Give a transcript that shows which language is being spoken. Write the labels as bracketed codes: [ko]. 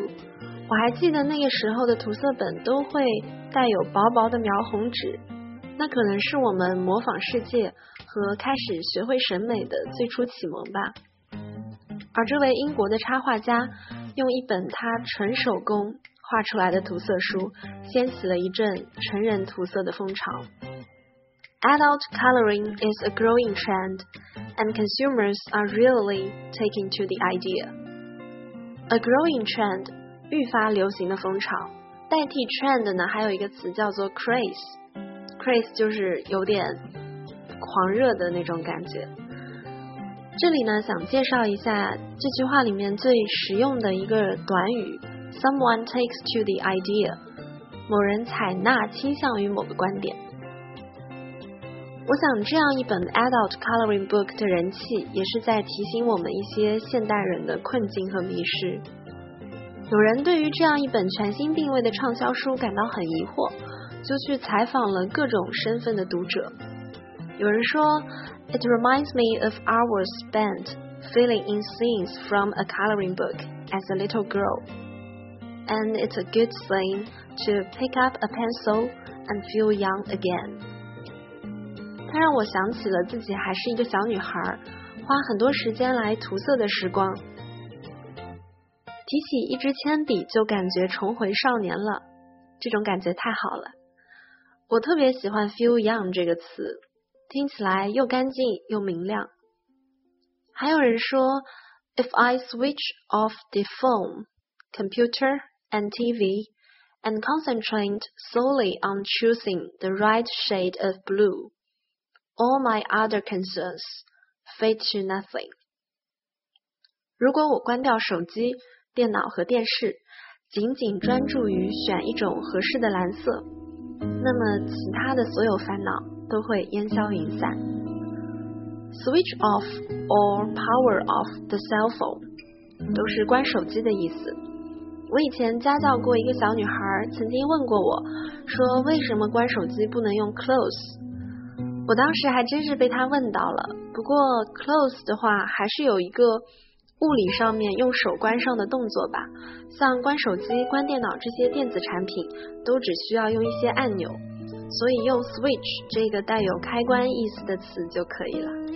[zh] 我还记得那个时候的涂色本都会带有薄薄的描红纸，那可能是我们模仿世界和开始学会审美的最初启蒙吧。而这位英国的插画家用一本他纯手工画出来的涂色书，掀起了一阵成人涂色的风潮。 [en] Adult coloring is a growing trend and consumers are really taking to the idea. A growing trend [zh] 愈发流行的风潮，代替 trend 呢还有一个词叫做 craze。 craze 就是有点狂热的那种感觉。这里呢想介绍一下这句话里面最实用的一个短语 [en] someone takes to the idea， [zh] 某人采纳倾向于某个观点。我想这样一本 [en] adult coloring book [zh] 的人气也是在提醒我们一些现代人的困境和迷失。有人对于这样一本全新定位的畅销书感到很疑惑，就去采访了各种身份的读者。有人说 [en] It reminds me of hours spent filling in scenes from a coloring book as a little girl. And it's a good thing to pick up a pencil and feel young again. [zh] 它让我想起了自己还是一个小女孩，花很多时间来涂色的时光。提起一支铅笔就感觉重回少年了，这种感觉太好了。我特别喜欢 feel young 这个词，听起来又干净又明亮。还有人说 [en] If I switch off the phone, computer and TV and concentrate solely on choosing the right shade of blue, all my other concerns fade to nothing. [zh] 如果我关掉手机电脑和电视，仅仅专注于选一种合适的蓝色，那么其他的所有烦恼都会烟消云散。 [en] Switch off or power off the cell phone [zh] 都是关手机的意思。我以前家教过一个小女孩，曾经问过我说为什么关手机不能用 close。我当时还真是被她问到了，不过 close 的话还是有一个物理上面用手关上的动作吧，像关手机、关电脑这些电子产品都只需要用一些按钮，所以用 switch 这个带有开关意思的词就可以了。